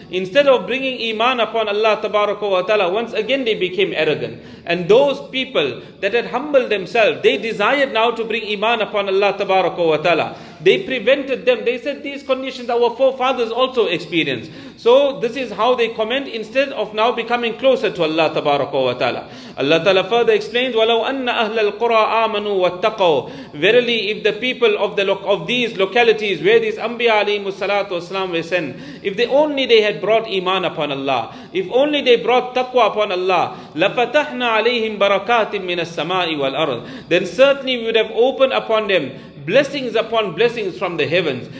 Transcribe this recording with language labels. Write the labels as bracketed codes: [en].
[en] Instead of bringing iman upon Allah tabaraka wa ta'ala, once again they became arrogant. And those people that had humbled themselves, they desired now to bring iman upon Allah tabaraka wa ta'ala. They prevented them. They said these conditions our forefathers also experienced. So this is how they comment instead of now becoming closer to Allah tabaraka wa ta'ala. Allah ta'ala further explains, [ar] وَلَوْ أَنَّ أَهْلَ الْقُرَىٰ آمَنُوا وَاتَّقَوْا. [en] Verily, if the people of the these localities where these Anbiya alayhimu salatu wasalam were sent, if they only they had brought iman upon Allah, if only they brought taqwa upon Allah, [ar] لَفَتَحْنَا عَلَيْهِمْ بَرَكَاتٍ مِّنَ السَّمَاءِ وَالْأَرْضِ, [en] then certainly we would have opened upon them blessings upon blessings from the heavens.